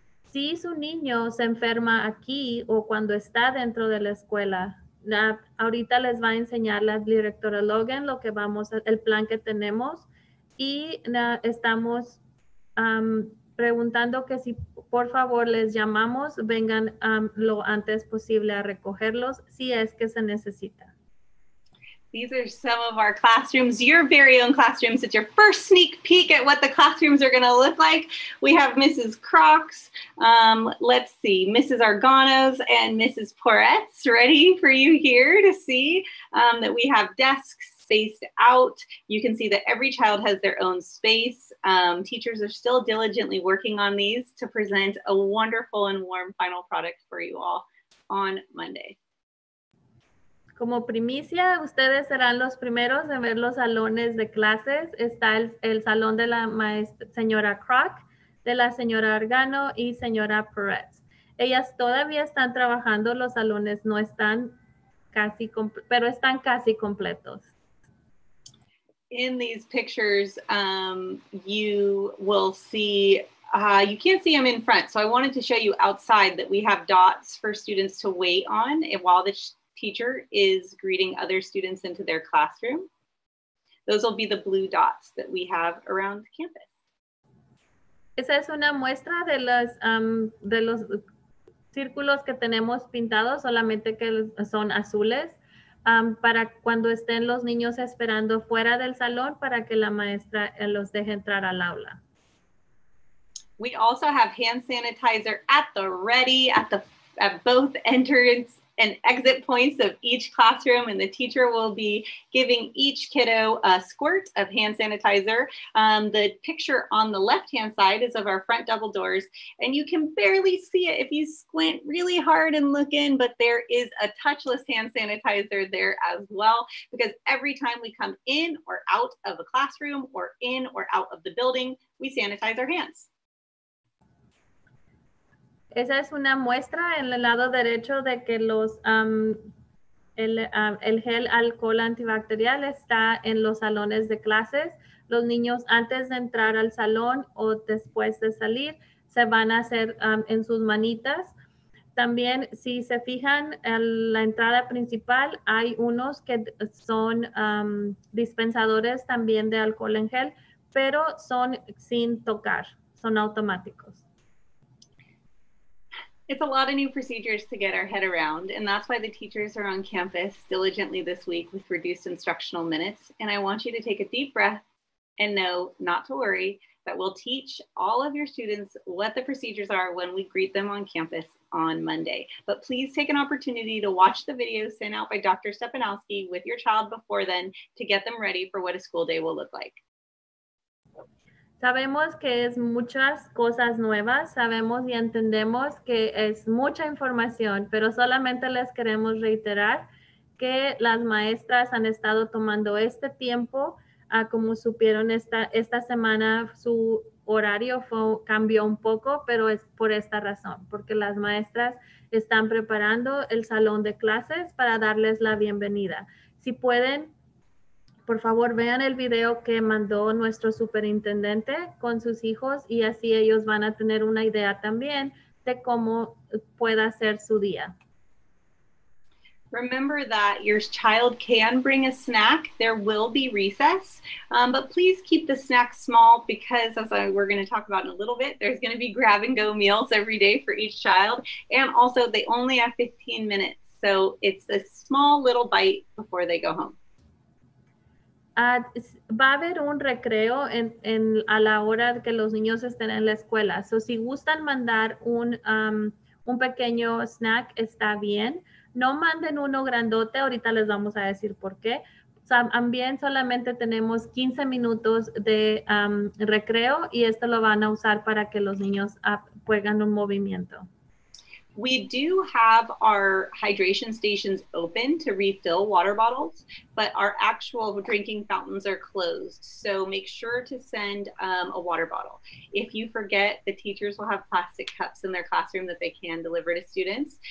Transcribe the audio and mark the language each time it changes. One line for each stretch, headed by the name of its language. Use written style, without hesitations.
Spanish: Si su niño se enferma aquí o cuando está dentro de la escuela, ahorita les va a enseñar la directora Logan el plan que tenemos, y estamos preguntando que si por favor les llamamos, vengan lo antes posible a recogerlos si es que se necesita.
English: These are some of our classrooms, your very own classrooms. It's your first sneak peek at what the classrooms are going to look like. We have Mrs. Crocs, let's see, Mrs. Arganos and Mrs. Poretz ready for you here to see that we have desks spaced out. You can see that every child has their own space. Teachers are still diligently working on these to present a wonderful and warm final product for you all on Monday.
Spanish: Como primicia, ustedes serán los primeros en ver los salones de clases. Está el salón de la maestra, señora Croc, de la señora Argano y señora Perez. Ellas todavía están trabajando, los salones no están casi, pero están casi completos.
English: In these pictures, you will see, you can't see them in front, so I wanted to show you outside that we have dots for students to wait on while the teacher is greeting other students into their classroom. Those will be the blue dots that we have around campus.
Spanish: Esa es una muestra de los círculos que tenemos pintados, solamente que son azules, para cuando estén los niños esperando fuera del salón para que la maestra los deje entrar al aula.
English: We also have hand sanitizer at the ready at both entrances and exit points of each classroom, and the teacher will be giving each kiddo a squirt of hand sanitizer. The picture on the left-hand side is of our front double doors, and you can barely see it if you squint really hard and look in, but there is a touchless hand sanitizer there as well, because every time we come in or out of a classroom or in or out of the building, we sanitize our hands.
Spanish: Esa es una muestra en el lado derecho de que el gel alcohol antibacterial está en los salones de clases. Los niños antes de entrar al salón o después de salir se van a hacer en sus manitas. también, si se fijan, en la entrada principal hay unos que son dispensadores también de alcohol en gel, pero son sin tocar, son automáticos.
English: It's a lot of new procedures to get our head around, and that's why the teachers are on campus diligently this week with reduced instructional minutes. And I want you to take a deep breath and know, not to worry, that we'll teach all of your students what the procedures are when we greet them on campus on Monday. But please take an opportunity to watch the video sent out by Dr. Stepanowski with your child before then to get them ready for what a school day will look like.
Spanish: Sabemos que es muchas cosas nuevas, sabemos y entendemos que es mucha información, pero solamente les queremos reiterar que las maestras han estado tomando este tiempo, como supieron esta semana su horario cambió un poco, pero es por esta razón, porque las maestras están preparando el salón de clases para darles la bienvenida. Si pueden, por favor, vean el video que mandó nuestro superintendente con sus hijos y así ellos van a tener una idea también de cómo pueda ser su día.
English: Remember that your child can bring a snack. There will be recess, but please keep the snacks small because, as we're going to talk about in a little bit, there's going to be grab-and-go meals every day for each child. And also, they only have 15 minutes, so it's a small little bite before they go home.
Spanish: Va a haber un recreo en a la hora que los niños estén en la escuela. So, si gustan mandar un pequeño snack, está bien. No manden uno grandote, ahorita les vamos a decir por qué. También solamente tenemos 15 minutos de recreo y esto lo van a usar para que los niños jueguen un movimiento.
English: We do have our hydration stations open to refill water bottles, but our actual drinking fountains are closed. So make sure to send a water bottle. If you forget, the teachers will have plastic cups in their classroom that they can deliver to students.